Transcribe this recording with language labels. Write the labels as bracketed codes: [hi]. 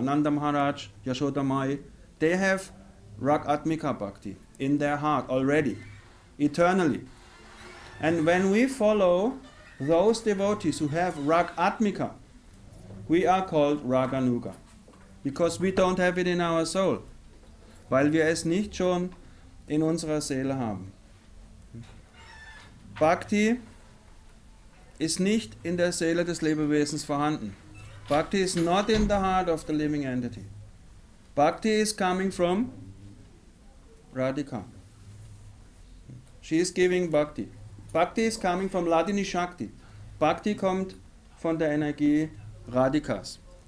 [en] Nanda Maharaj, Yashoda Mai, they have Ragatmika Bhakti in their heart already, eternally. And when we follow those devotees who have Ragatmika, we are called Raganuga. Because we don't have it in our soul. [de] Weil wir es nicht schon in unserer Seele haben. Bhakti ist nicht in der Seele des Lebewesens vorhanden. [en] Bhakti is not in the heart of the living entity. Bhakti is coming from Radhika. She is giving Bhakti. Bhakti is coming from Ladini Shakti. [de] Bhakti kommt von der Energie Radhikas.